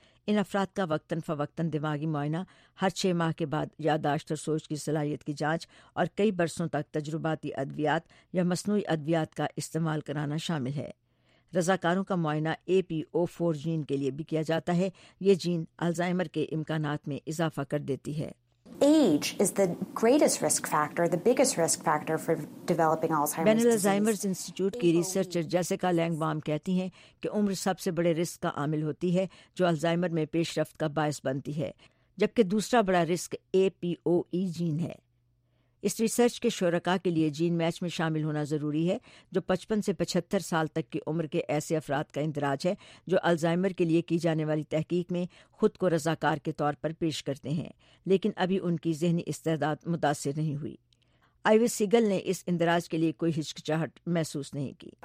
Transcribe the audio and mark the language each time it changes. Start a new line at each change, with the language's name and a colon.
Urdu: ان افراد کا وقتاً فوقتاً دماغی معائنہ، ہر 6 ماہ کے بعد یاداشت اور سوچ کی صلاحیت کی جانچ اور کئی برسوں تک تجرباتی ادویات یا مصنوعی ادویات کا استعمال کرانا شامل ہے۔ رضاکاروں کا معائنہ APO4 جین کے لیے بھی کیا جاتا ہے۔ یہ جین الزائمر کے امکانات میں اضافہ کر دیتی ہے۔
English: Age is the greatest risk factor, the biggest risk factor for developing Alzheimer's disease.
Urdu: Alzheimer's institute کی ریسرچر جیسیکا لینگ بام کہتی ہیں کہ عمر سب سے بڑے رسک کا عامل ہوتی ہے جو الزائمر میں پیش رفت کا باعث بنتی ہے، جبکہ دوسرا بڑا رسک APOE جین ہے۔ اس ریسرچ کے شرکاء کے لیے جین میچ میں شامل ہونا ضروری ہے جو 55 سے 75 سال تک کی عمر کے ایسے افراد کا اندراج ہے جو الزائمر کے لیے کی جانے والی تحقیق میں خود کو رضاکار کے طور پر پیش کرتے ہیں، لیکن ابھی ان کی ذہنی استعداد متاثر نہیں ہوئی۔ آئی وی سیگل نے اس اندراج کے لیے کوئی ہچکچاہٹ محسوس نہیں کی۔